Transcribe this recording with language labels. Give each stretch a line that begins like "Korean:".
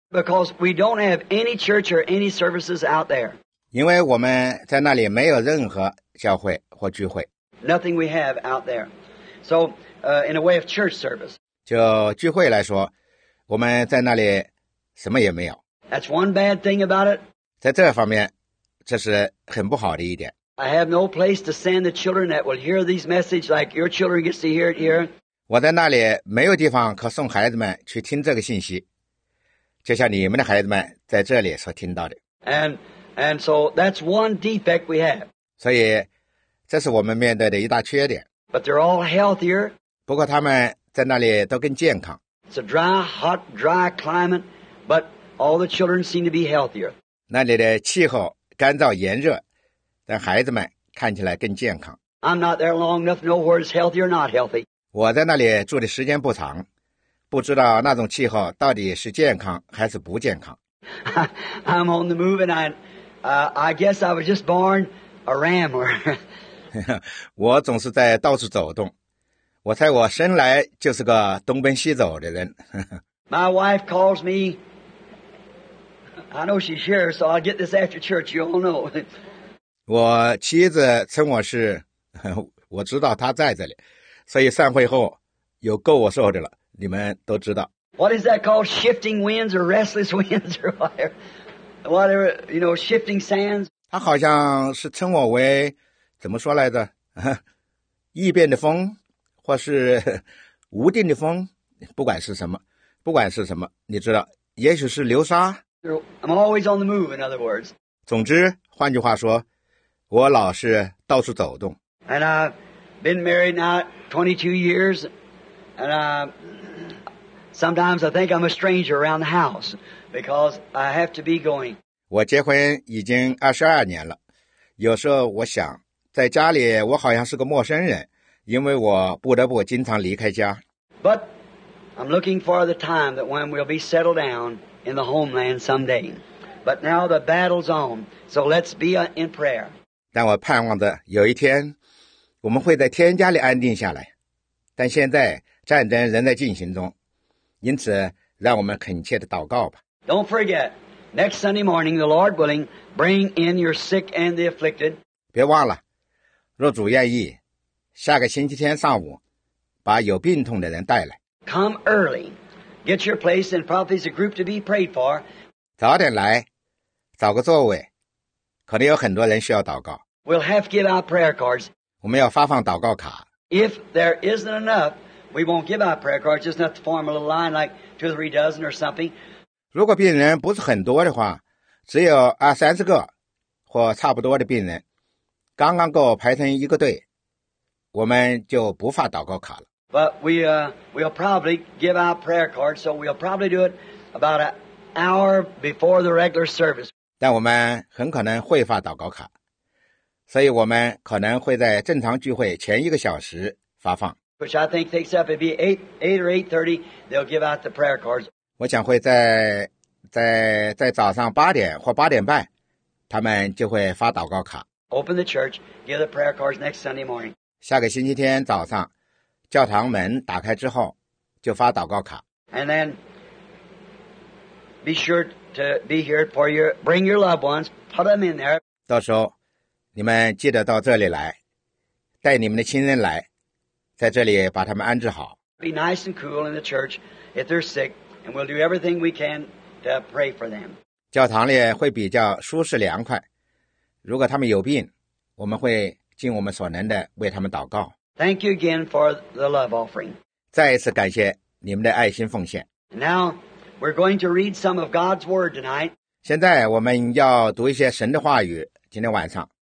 English: Because we don't have any church or any services out there.
Chinese: 因为我们在那里没有任何教会或聚会。
English: Nothing we have out there. So, in a way of church service.
Chinese: 就聚会来说，我们在那里什么也没有。
English: That's one bad thing about it.
Chinese: 在这方面，这是很不好的一点。
English: I have no place to send the children that will hear these messages like your children get to hear it here.
Chinese: 我在那里没有地方可送孩子们去听这个信息，就像你们的孩子们在这里所听到的。
English: And so that's one defect we have.
Chinese: 所以这是我们面对的一大缺点。
English: But they're all healthier.
Chinese: 不过他们在那里都更健康。
English: It's a dry, hot, dry climate, but all the children seem to be healthier.
Chinese: 那里的气候干燥炎热，但孩子们看起来更健康。
English: I'm not there long enough to know whether it's healthy or not healthy.
Chinese: 我在那里住的时间不长，不知道那种气候到底是健康还是不健康。
English: I'm on the move and I guess I was just born a rambler.
Chinese: 我总是在到处走动，我猜我生来就是个东奔西走的人。
English: My wife calls me, I know she's here, so I'll get this after church, you all know.
Chinese: 我妻子称我是，我知道她在这里，所以散会后有够我受的了，你们都知道。
English: What is that called, shifting winds or restless winds or whatever, you know, shifting sands?
Chinese: 她好像是称我为怎么说来着，异变的风或是无定的风，不管是什么，不管是什么，你知道，也许是流沙。
English: I'm always on the move, in other words.
Chinese: 总之换句话说，我老是到处走动。
English: And I've been married now 22 years, and sometimes I think I'm a stranger around the house, because I have to be going.
Chinese: 我结婚已经22年了，有时候我想在家里我好像是个陌生人，因为我不得不经常离开家。
English: But I'm looking for the time that when we'll be settled down in the homeland someday. But now the battle's on, so let's be in prayer.
Chinese: 但我盼望着有一天我们会在天家里安定下来，但现在战争仍在进行中，因此让我们恳切的祷告吧。
English: Don't forget, next Sunday morning, the Lord willing, bring in your sick and the afflicted.
Chinese: 别忘了，若主愿意，下个星期天上午把有病痛的人带来。
English: Come early. Get your place and probably a group to be prayed for.
Chinese: 早点来，找个座位，可能有很多人需要祷告。
English: We'll have to give out prayer cards.
Chinese: 我们要发放祷告卡。
English: If there isn't enough, we won't give out prayer cards. Just enough to form a little line, like two or three dozen or something.
Chinese: 如果病人不是很多的话，只有二三十个或差不多的病人，刚刚够排成一个队，我们就不发祷告卡了。
English: But we'll probably give out prayer cards, so we'll probably do it about an hour before the regular service.
Chinese: 但我们很可能会发祷告卡，所以我们可能会在正常聚会前一个小时发放。
English: Which I think takes up, it'd be 8 or 8:30, they'll give out the prayer cards.
Chinese: 我想会在早上八点或八点半，他们就会发祷告卡。
English: Open the church, give the prayer cards next Sunday morning.
Chinese: 下个星期天早上教堂门打开之后就发祷告卡。
English: And then be sure to be here for your, bring your loved ones, put them in there.
Chinese: 到时候你们记得到这里来，带你们的亲人来，在这里把他们安置好。
English: Be nice and cool in the church if they're sick, and we'll do everything we can to pray for them.
Chinese: 教堂里会比较舒适凉快，如果他们有病，我们会尽我们所能的为他们祷告。
English: Thank you again for the love offering.
Chinese: 再一次感谢你们的爱心奉献。
English: Now, we're going to read some of God's word tonight.
Chinese: 现在我们要读一些神的话语，今天晚上。